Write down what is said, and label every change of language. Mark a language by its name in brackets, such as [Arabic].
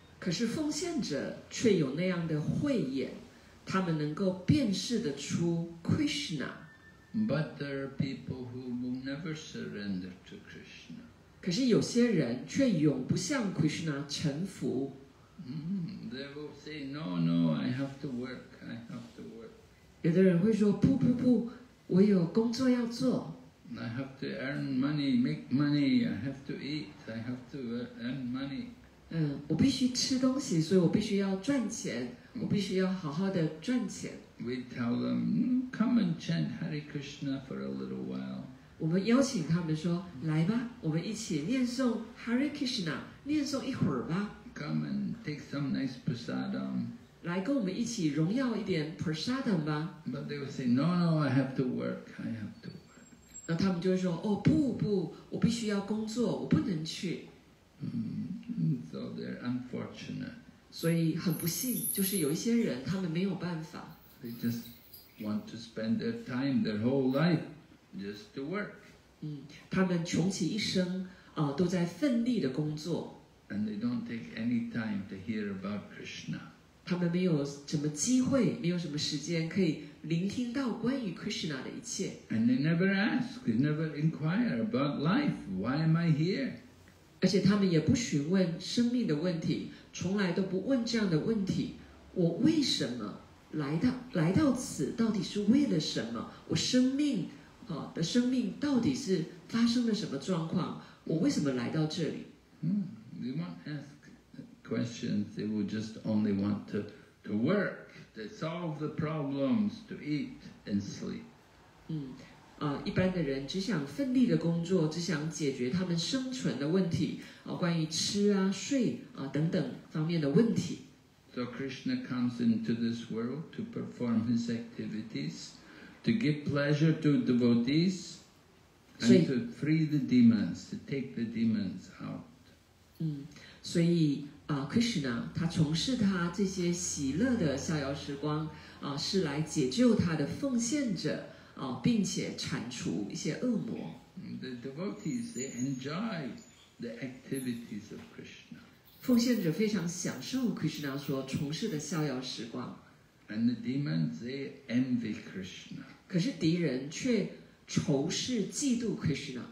[Chinese] 可是奉献者却有那样的慧眼他们能够辨识得出 Krishna [English] But there are people who will never surrender to Krishna [Chinese] 可是有些人却永不向 Krishna 臣服。 [English] They will say, "No, no, I have to work. I have to work." [Chinese] 有的人会说，不不不，我有工作要做。 [English] I have to earn money, make money. I have to eat. I have to earn money. [Chinese] 我必须吃东西，所以我必须要赚钱。我必须要好好的赚钱。 [English] We tell them, "Come and chant Hare Krishna for a little while." [Chinese] 我们邀请他们说来吧我们一起念诵 Hare Krishna 念诵一会儿吧 [English] Come and take some nice prasadam [Chinese] 来跟我们一起荣耀一点 prasadam 吧 [English] But they will say no no I have to work I have to work [Chinese] 那他们就会说哦不不我必须要工作我不能去、 [English] So they're unfortunate [Chinese] 所以很不幸就是有一些人他们没有办法 [English] They just want to spend their time their whole lifeJust to work. [Chinese] 他们穷其一生、都在奋力的工作。 [English] And they don't take any time to hear about Krishna. [Chinese] 他们没有什么机会，没有什么时间可以聆听到关于 Krishna 的一切。 [English] And they never ask, they never inquire about life. Why am I here? [Chinese] 而且他们也不询问生命的问题，从来都不问这样的问题：我为什么来到此？到底是为了什么？我生命。的生命到底是发生了什么状况？我为什么来到这里？ [English] They won't ask questions. They will just only want to work, to solve the problems, to eat and sleep. [Chinese] 一般的人只想奋力的工作，只想解决他们生存的问题，关于吃啊、睡啊等等方面的问题。 [English] So Krishna comes into this world to perform his activities. To give pleasure to devotees and to free the demons, to take the demons out. [Chinese] 所以、Krishna 他从事他这些喜乐的逍遥时光、是来解救他的奉献者、并且铲除一些恶魔。 [English] The devotees, they enjoy the activities of Krishna. [Chinese] 奉献者非常享受 Krishna 所从事的逍遥时光。 [English] And the demons, they envy Krishna. [Chinese] 可是敌人却仇视嫉妒 Krishna.